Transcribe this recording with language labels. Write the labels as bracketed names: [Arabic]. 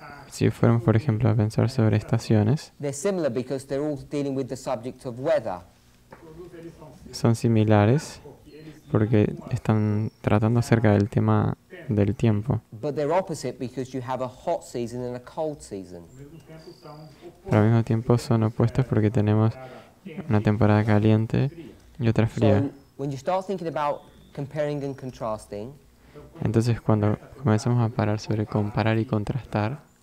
[Spanish] Si fueran, por ejemplo, a pensar sobre estaciones, [English] they're similar because they're all dealing with the subject of weather. [Spanish] Son similares porque están tratando acerca del tema del tiempo. [English] But they're opposite because you have a hot season and a cold season. [Spanish] Pero al mismo tiempo son opuestos porque tenemos una temporada caliente y otra fría. [English] So, when you start thinking about comparing and contrasting, [Spanish] entonces cuando comenzamos a parar sobre comparar y contrastar,